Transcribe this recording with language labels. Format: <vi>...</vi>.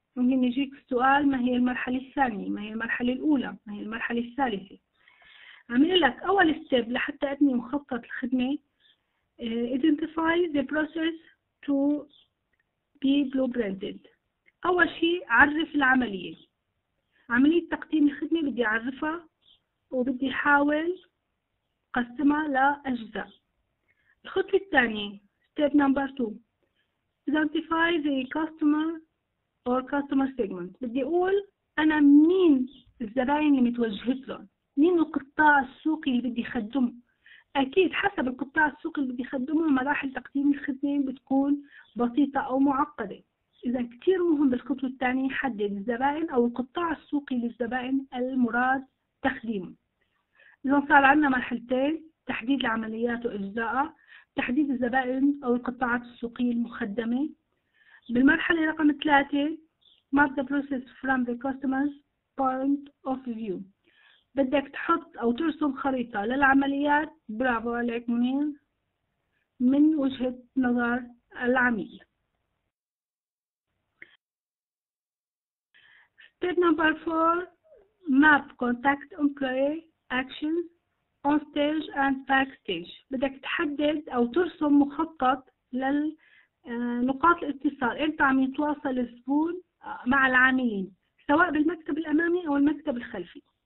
<ar>ممكن يجيك السؤال، ما هي المرحلة الثانية؟ ما هي المرحلة الأولى؟ ما هي المرحلة الثالثة؟ عامل لك أول ستيب لحتى أبني مخطط الخدمة،</ar> <en>identify the process to be blueprinted.</en> <ar>أول شيء عرف العملية، عملية تقديم الخدمة بدي أعرفها وبدي أحاول أقسمها لأجزاء. الخطوة الثانية</ar> <en>step number two، identify the customer or customer segment.</en> <ar>بدي أقول أنا مين الزبائن اللي متوجهت لهم، مين القطاع السوقي اللي بدي أخدمه. أكيد حسب القطاع السوقي اللي بدي أخدمه مراحل تقديم الخدمة بتكون بسيطة أو معقدة. إذا كتير مهم بالخطوة الثانية حدد الزبائن أو القطاع السوقي للزبائن المراد تخديمه. إذا صار عندنا مرحلتين، تحديد العمليات وإجزائها، تحديد الزبائن أو القطاعات السوقية المخدمة. بالمرحلة رقم 3</ar> <en>Map the process from the customer's point of view.</en> <ar>بدك تحط أو ترسم خريطة للعمليات، برافو عليك منير، من وجهة نظر العميل.</ar> <en>Step number 4 Map contact employee actions on stage and backstage.</en> <ar>بدك تحدد أو ترسم مخطط لنقاط الاتصال، إمتى عم يتواصل الزبون مع العاملين، سواء بالمكتب الأمامي أو المكتب الخلفي.</ar>